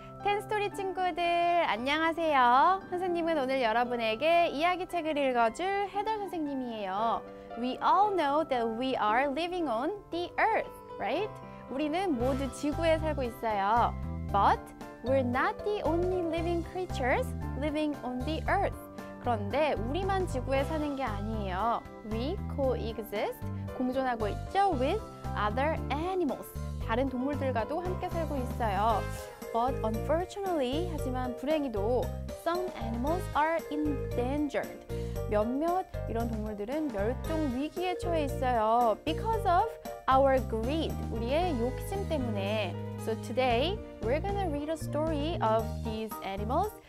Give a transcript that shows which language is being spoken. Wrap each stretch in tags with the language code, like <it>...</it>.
<ko>10스토리 친구들, 안녕하세요. 선생님은 오늘 여러분에게 이야기책을 읽어줄 헤더 선생님이에요.</ko> <en>We all know that we are living on the earth, right?</en> <ko>우리는 모두 지구에 살고 있어요.</ko> <en>But we're not the only living creatures living on the earth.</en> <ko>그런데 우리만 지구에 사는 게 아니에요.</ko> <en>We coexist,</en> <ko>공존하고 있죠,</ko> <en>with other animals.</en> <ko>다른 동물들과도 함께 살고 있어요.</ko> <en>But unfortunately,</en> <ko>하지만 불행히도</ko> <en>some animals are endangered.</en> <ko>몇몇 이런 동물들은 멸종 위기에 처해 있어요.</ko> <en>Because of our greed,</en> <ko>우리의 욕심 때문에.</ko> <en>So today, we're gonna read a story of these animals.</en>